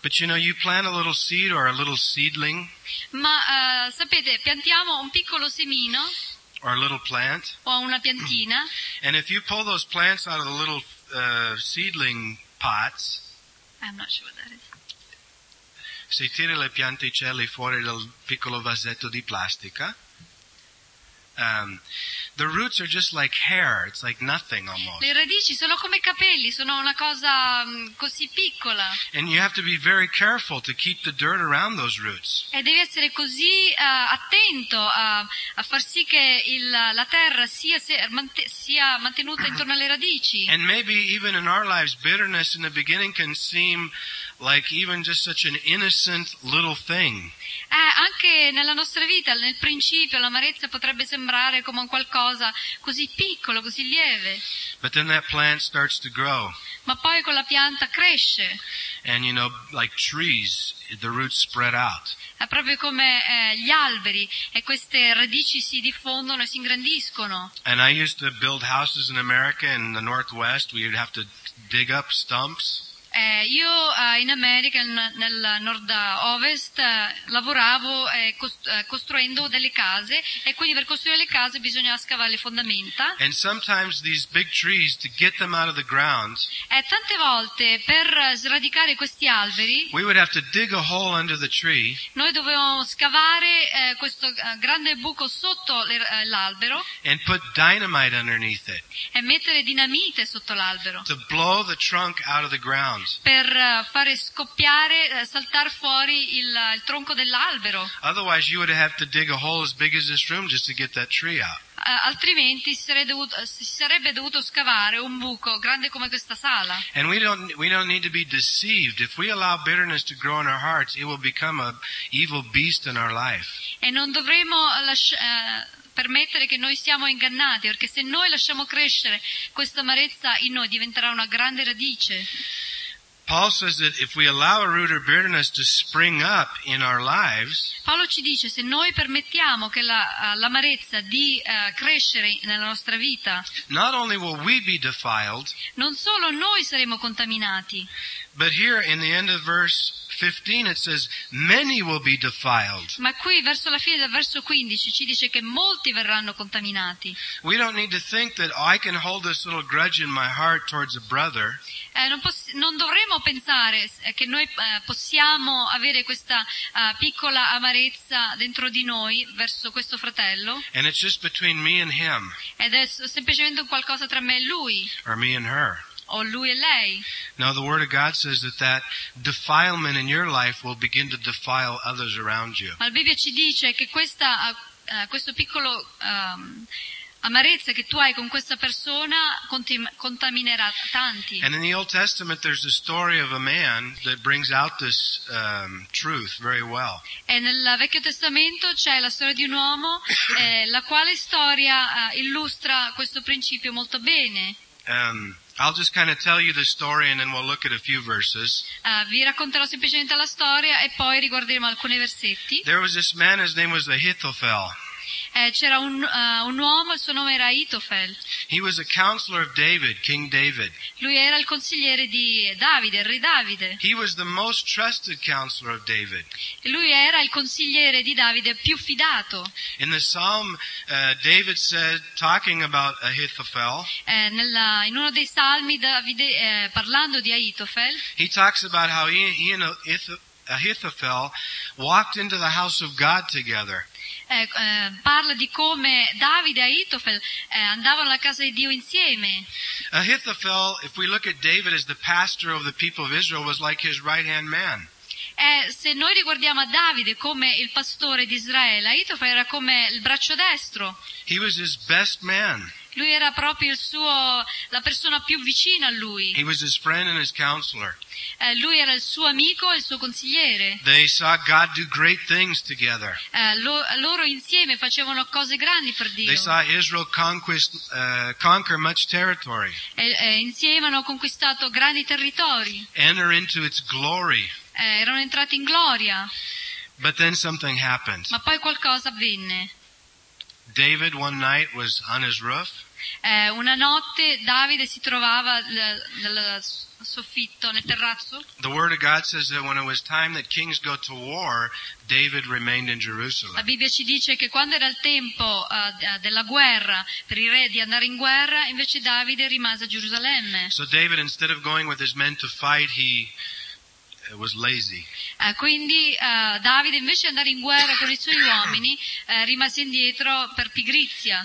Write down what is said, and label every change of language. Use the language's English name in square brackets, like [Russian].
[English] But you know, you plant a little seed or a little seedling. [Italian] Ma sapete, piantiamo un piccolo semino. [English] Or a little plant. [Italian] O una piantina. [English] And if you pull those plants out of the little seedling pots. I'm not sure what that is. [Italian] Se tiri le pianticelle fuori dal piccolo vasetto di plastica. [English] The roots are just like hair. It's like nothing almost. [Italian] Le radici sono come capelli, sono una cosa così piccola. [English] And you have to be very careful to keep the dirt around those roots. [Italian] E devi essere così attento a far sì che la terra sia mantenuta intorno alle radici. [English] And maybe even in our lives, bitterness in the beginning can seem like even just such an innocent little thing. [Italian] Anche nella nostra vita, nel principio, l'amarezza potrebbe sembrare come un qualcosa così piccolo, così lieve. [English] But then that plant starts to grow. [Italian] Ma poi quella pianta cresce. [English] And you know, like trees, the roots spread out. [Italian] È proprio come gli alberi, e queste radici si diffondono e si ingrandiscono. [English] And I used to build houses in America in the Northwest. We would have to dig up stumps. [Italian] In America, nel nord-ovest, lavoravo costruendo delle case, e quindi per costruire le case bisogna scavare le fondamenta. [English] And sometimes these big trees, to get them out of the ground, [Italian] tante volte per sradicare questi alberi, [English] we would have to dig a hole under the tree, [Italian] noi dovevamo scavare questo grande buco sotto l'albero, [English] and put dynamite underneath it, [Italian] e mettere dinamite sotto l'albero, [English] to blow the trunk out of the ground. [Italian] Per fare scoppiare, saltare fuori il tronco dell'albero. [English] Otherwise you would have to dig a hole as big as this room just to get that tree out. [Italian] Altrimenti si sarebbe dovuto scavare un buco grande come questa sala. [English] And we don't need to be deceived. If we allow bitterness to grow in our hearts, it will become an evil beast in our life. [Italian] E non dovremo permettere che noi siamo ingannati, perché se noi lasciamo crescere questa amarezza in noi, diventerà una grande radice. [English] Paul says that if we allow a root of bitterness to spring up in our lives, [Italian] Paolo ci dice se noi permettiamo che l'amarezza di crescere nella nostra vita, [English] not only will we be defiled, [Italian] non solo noi saremo contaminati, [English] but here in the end of verse 15 it says many will be defiled. [Italian] Ma qui verso la fine del verso 15 ci dice che molti verranno contaminati. [English] We don't need to think that I can hold this little grudge in my heart towards a brother. [Italian] Non dovremmo pensare che noi possiamo avere questa piccola amarezza dentro di noi verso questo fratello. [English] And it's just between me and him. [Italian] Ed è semplicemente qualcosa tra me e lui. [English] Or me and her. [Italian] O lui e lei. [English] Now the word of God says that defilement in your life will begin to defile others around you. [Italian] Ma la Bibbia ci dice che questo piccolo amarezza che tu hai con questa persona contaminerà tanti. [English] And in the Old Testament there's a story of a man that brings out this truth very well. [Italian] E nel Vecchio Testamento c'è la storia di un uomo la quale storia illustra questo principio molto bene. [English] I'll just kind of tell you the story and then we'll look at a few verses. [Italian] Vi racconterò semplicemente la storia e poi riguarderemo alcuni versetti. [English] There was this man, his name was Ahithophel. [Italian] C'era un uomo, il suo nome era Ahithophel. [English] He was a counselor of David, King David. [Italian] Lui era il consigliere di Davide, il re Davide. [English] He was the most trusted counselor of David. [Italian] Lui era il consigliere di Davide più fidato. [English] In the Psalm, David said, talking about Ahithophel. [Italian] In uno dei salmi, Davide parlando di Ahithophel. [English] He talks about how he and Ahithophel walked into the house of God together. [Italian] Parla di come Davide e Ahithophel andavano alla casa di Dio insieme. [English] Ahithophel, if we look at David as the pastor of the people of Israel, was like his right-hand man. [Italian] Se noi riguardiamo a Davide come il pastore di Israele, Ahithophel era come il braccio destro. [English] He was his best man. [Italian] Lui era proprio la persona più vicina a lui. [English] He was his friend and his counselor. [Italian] Lui era il suo amico e il suo consigliere. [English] They saw God do great things together. [Italian] Loro insieme facevano cose grandi per Dio. [English] They saw Israel conquer much territory. [Italian] Insieme hanno conquistato grandi territori. [English] Enter into its glory. [Italian] Erano entrati in gloria. [English] But then something happened. [Italian] Ma poi qualcosa avvenne. [English] David one night was on his roof. [Italian] Una notte Davide si trovava nel soffitto, nel terrazzo. [English] The word of God says that when it was time that kings go to war, David remained in Jerusalem. [Italian] La Bibbia ci dice che quando era il tempo della guerra per i re di andare in guerra, invece Davide rimase a Gerusalemme. [English] So David, instead of going with his men to fight, he was lazy. [Italian] Quindi Davide, invece di andare in guerra con i suoi uomini, rimase indietro per pigrizia.